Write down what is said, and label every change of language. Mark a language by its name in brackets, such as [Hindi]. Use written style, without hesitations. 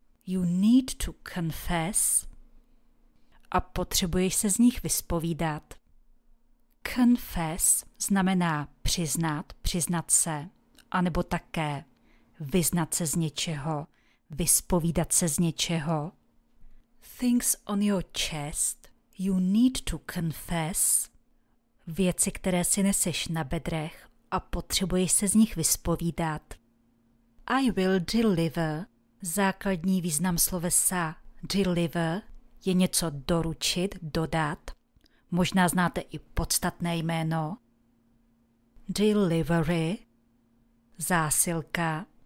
[English] You need to confess. [Czech] A potřebuješ se z nich vyspovídat. Confess znamená přiznat, přiznat se, anebo také vyznat se z něčeho, vyspovídat se z něčeho. [English] Things on your chest, you need to confess. [Czech] Věci, které si neseš na bedrech a potřebuješ se z nich vyspovídat. [English] I will deliver. [Czech] Základní význam slovesa deliver je něco doručit, dodat. Možná znáte i podstatné jméno. Delivery, zásilka.